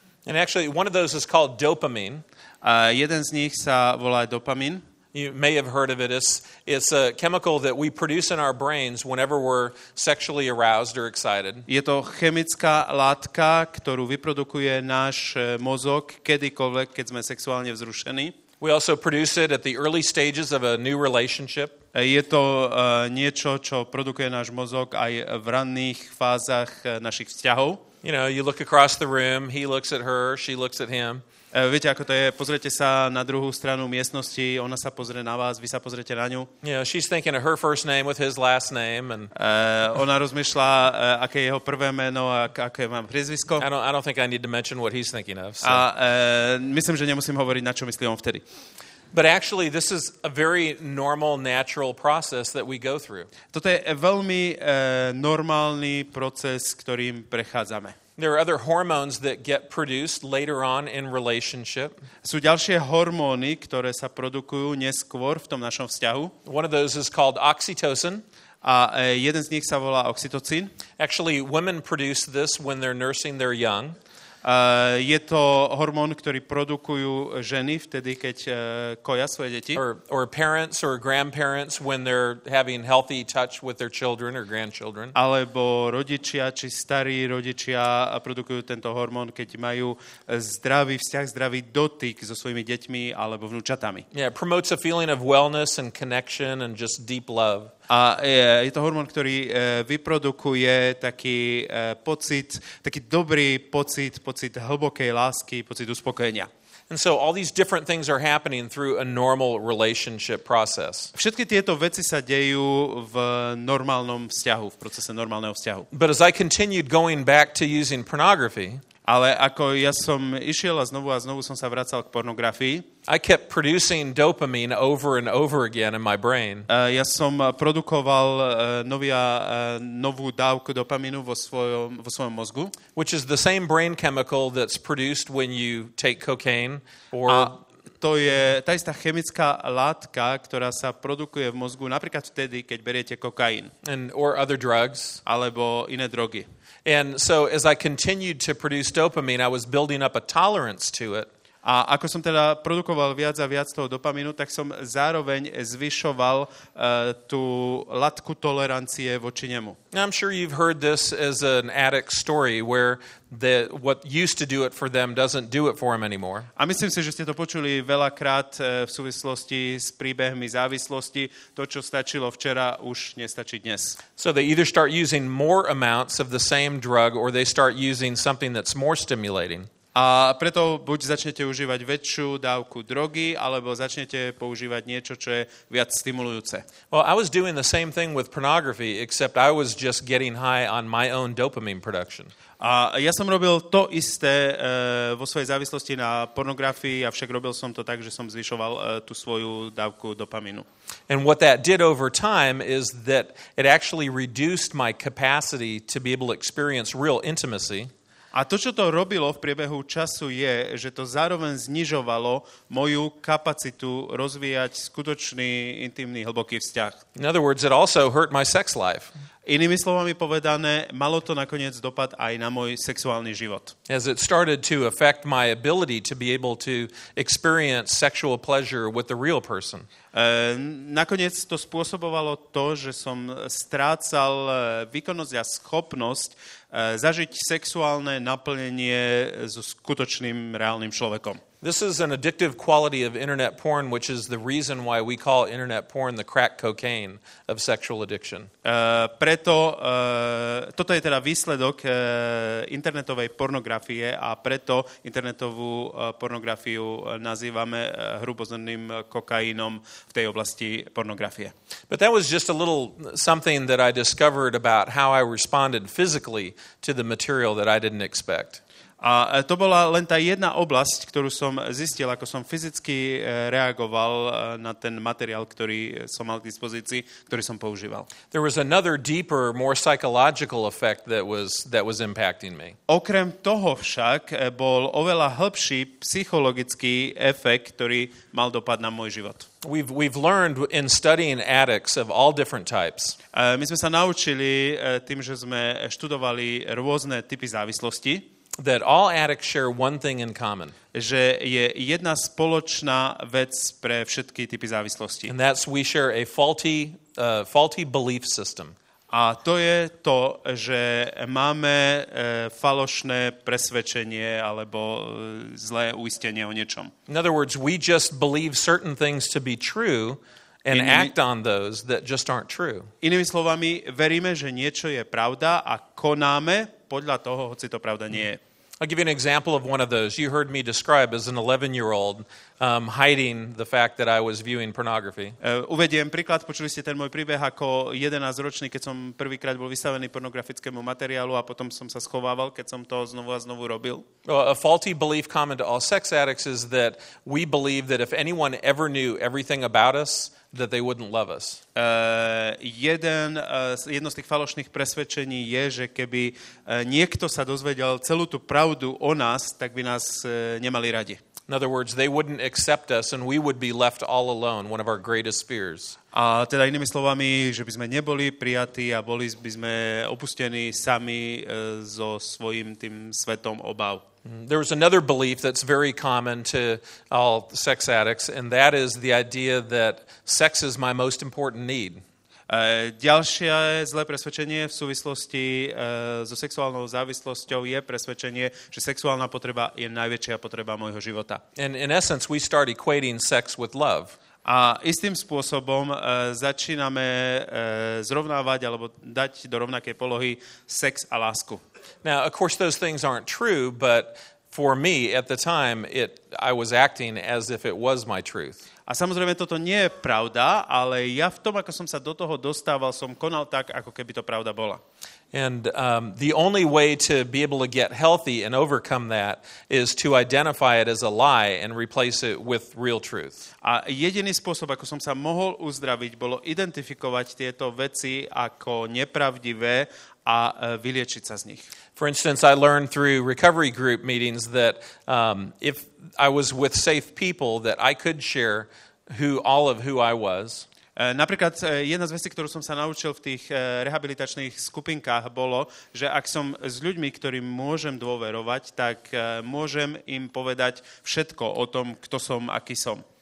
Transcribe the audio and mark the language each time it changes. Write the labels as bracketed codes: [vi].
[en] And actually one of those is called dopamine. [sk] Jeden z nich sa volá dopamín. [en] You may have heard of it. It's a chemical that we produce in our brains whenever we're sexually aroused or excited. [sk] Je to chemická látka, ktorú vyprodukuje náš mozog kedykoľvek, keď sme sexuálne vzrušení. [en] We also produce it at the early stages of a new relationship. [sk] Je to niečo, čo produkuje náš mozog aj v ranných fázach našich vzťahov. [en] You know, you look across the room, he looks at her, she looks at him. [sk] Viete, ako to je? Pozrite sa na druhú stranu miestnosti, ona sa pozrie na vás, vy sa pozriete na ňu. [en] Yeah, she's thinking of her first name with his last name. And [sk] ona rozmýšľa, aké je jeho prvé meno a aké mám priezvisko. [en] I don't think I need to mention what he's thinking of. So. [sk] A myslím, že nemusím hovoriť, na čo myslí on vtedy. [en] But actually, this is a very normal, natural process that we go through. [sk] Toto je veľmi normálny proces, ktorým prechádzame. [en] There are other hormones that get produced later on in relationship. [sk] Sú ďalšie hormóny, ktoré sa produkujú neskôr v tom našom vzťahu. [en] One of those is called oxytocin. [sk] A jeden z nich sa volá oxytocín. [en] Actually, women produce this when they're nursing their young. [sk] Je to hormón, ktorý produkujú ženy vtedy, keď koja svoje deti. [en] Or parents or grandparents when they're having healthy touch with their children or grandchildren. [sk] Alebo rodičia či starí rodičia produkujú tento hormón, keď majú zdravý vzťah, zdravý dotyk so svojimi deťmi alebo vnúčatami. [en] Yeah, it promotes a feeling of wellness and connection and just deep love. [sk] A je to hormón, ktorý vyprodukuje taký pocit, taký dobrý pocit, pocit hlbokej lásky, pocit uspokojenia. [en] And so all these different things are happening through a normal relationship process. [sk] Všetky tieto veci sa dejú v normálnom vzťahu, v procese normálneho vzťahu. [en] But as I continued going back to using pornography, [sk] ale ako ja som išiel a znovu som sa vracal k pornografii, [en] I kept producing dopamine over and over again in my brain. [sk] Ja som produkoval novú dávku dopamínu vo svojom mozgu, [en] which is the same brain chemical that's produced when you take cocaine or [sk] to je tá istá chemická látka, ktorá sa produkuje v mozgu napríklad vtedy, keď beriete kokain [en] and or other drugs, [sk] alebo iné drogy. [en] And so as I continued to produce dopamine, I was building up a tolerance to it. [sk] A ako som teda produkoval viac a viac toho dopamínu, tak som zároveň zvyšoval tú latku tolerancie voči nemu. [en] I'm sure you've heard this as an addict story where the what used to do it for them doesn't do it for them anymore. [sk] A myslím si, že ste to počuli veľakrát v súvislosti s príbehmi závislosti, to čo stačilo včera už nestačí dnes. [en] So they either start using more amounts of the same drug or they start using something that's more stimulating. [sk] A preto buď začnete užívať väčšiu dávku drogy, alebo začnete používať niečo, čo je viac stimulujúce. [en] Well, I was doing the same thing with pornography, except I was just getting high on my own dopamine production. [sk] A ja som robil to isté vo svojej závislosti na pornografii, avšak robil som to tak, že som zvyšoval tú svoju dávku dopamínu. [en] And what that did over time is that it actually reduced my capacity to be able to experience real intimacy. [sk] A to, čo to robilo v priebehu času, je, že to zároveň znižovalo moju kapacitu rozvíjať skutočný, intimný, hlboký vzťah. [en] In other words, it also hurt my sex life. [sk] Inými slovami povedané, malo to nakoniec dopad aj na môj sexuálny život. [en] As it started to affect my ability to be able to experience sexual pleasure with the real person. [sk] Nakoniec to spôsobovalo to, že som strácal výkonnosť a schopnosť zažiť sexuálne naplnenie so skutočným reálnym človekom. [en] This is an addictive quality of internet porn, which is the reason why we call internet porn the crack cocaine of sexual addiction. [sk] Preto toto je teda výsledok internetovej pornografie a preto internetovú pornografiu nazývame hrubozrnným kokainom v tej oblasti pornografie. [en] But that was just a little something that I discovered about how I responded physically to the material that I didn't expect. [sk] A to bola len tá jedna oblasť, ktorú som zistil, ako som fyzicky reagoval na ten materiál, ktorý som mal k dispozícii, ktorý som používal. [en] There was another deeper, more psychological effect that was impacting me. [sk] Okrem toho však bol oveľa hlbší psychologický efekt, ktorý mal dopad na môj život. [en] We've learned in studying addicts of all different types. [sk] My sme sa naučili tým, že sme študovali rôzne typy závislosti, [en] that all addicts share one thing in common. [sk] Že je jedna spoločná vec pre všetky typy závislosti. [en] And that's we share a faulty belief system. [sk] A to je to, že máme falošné presvedčenie alebo zlé uistenie o niečom. [en] In other words, we just believe certain things to be true and act on those that just aren't true. [sk] Inými slovami, veríme, že niečo je pravda a konáme podľa toho, hoci to pravda nie je. [en] I'll give you an example of one of those. You heard me describe as an 11-year-old hiding the fact that I was viewing pornography. [sk] Uvediem príklad, počuli ste ten môj príbeh ako 11-ročný, keď som prvýkrát bol vystavený pornografickému materiálu a potom som sa schovával, keď som to znovu a znovu robil. [en] A faulty belief common to all sex addicts is that we believe that if anyone ever knew everything about us, that they wouldn't love us. [sk] Jedno z tých falošných presvedčení je, že keby niekto sa dozvedel celú tú pravdu o nás, tak by nás nemali radi. [en] In other words, they wouldn't accept us and we would be left all alone, one of our greatest fears. [sk] A teda inými slovami, že by sme neboli prijatí a boli by sme opustení sami so svojím tým svetom obav. [en] There was another belief that's very common to all sex addicts, and that is the idea that sex is my most important need. [sk] Ďalšie zlé presvedčenie v súvislosti so sexuálnou závislosťou je presvedčenie, že sexuálna potreba je najväčšia potreba môjho života. [en] In essence, we start equating sex with love. [sk] A istým spôsobom začíname zrovnávať alebo dať do rovnakej polohy sex a lásku. [en] Now, of course, those things aren't true, but for me at the time I was acting as if it was my truth. [sk] A samozrejme toto nie je pravda, ale ja v tom, ako som sa do toho dostával, som konal tak, ako keby to pravda bola. [en] And the only way to be able to get healthy and overcome that is to identify it as a lie and replace it with real truth. [sk] A jediný spôsob, ako som sa mohol uzdraviť, bolo identifikovať tieto veci ako nepravdivé a vyliečiť sa z nich. [en] For instance, I learned through recovery group meetings that if I was with safe people, that I could share all of who I was. [sk] Napríklad jedna z vecí, ktorú som sa naučil v tých rehabilitačných skupinkách, bolo, že ak som s ľuďmi, ktorým môžem dôverovať, tak môžem im povedať všetko o tom, kto som, aký som.